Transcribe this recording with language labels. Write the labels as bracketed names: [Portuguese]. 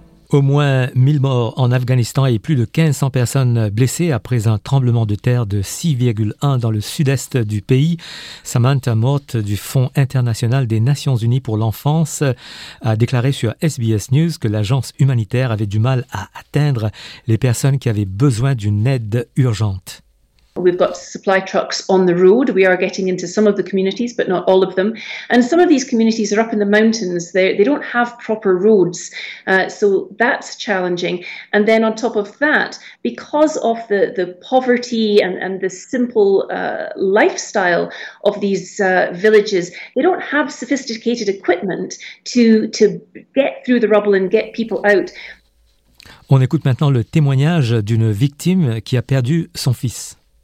[French] Au moins 1000 morts en Afghanistan et plus de 1500 personnes blessées après un tremblement de terre de 6,1 dans le sud-est du pays. Samantha Mort du Fonds international des Nations Unies pour l'enfance a déclaré sur SBS News que l'agence humanitaire avait du mal à atteindre les personnes qui avaient besoin d'une aide urgente. [English] We've got supply trucks on the road. We are getting into some of the communities, but not all of them. And some of these communities are up in the mountains. They don't have proper roads. So that's challenging. And then on top of that, because of the poverty and the simple lifestyle of these villages, they don't have sophisticated equipment to get through the rubble and get people out. [French] On écoute maintenant le témoignage d'une victime qui a perdu son fils.